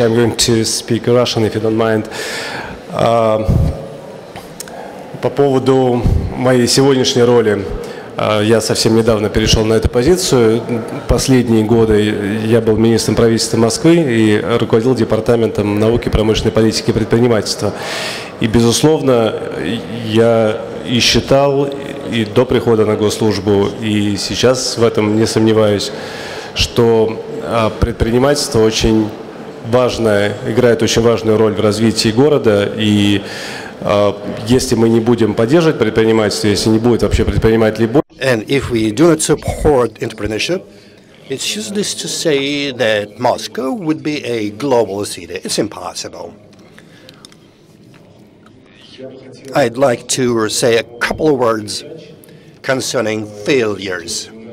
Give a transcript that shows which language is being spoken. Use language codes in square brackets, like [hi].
[en] I'm going to speak Russian, if you don't mind. [ru] По поводу моей сегодняшней роли, я совсем недавно перешел на эту позицию. Последние годы я был министром правительства Москвы и руководил департаментом науки, промышленной политики и предпринимательства. И, безусловно, я и считал, и до прихода на госслужбу, и сейчас в этом не сомневаюсь, что предпринимательство очень важное, играет очень важную роль в развитии города, и если мы не будем поддерживать предпринимательство, если не будет вообще предпринимателей... [en] And if we do not support entrepreneurship, it's useless to say that Moscow would be a global city. It's impossible. I'd like to say a couple of words concerning failures.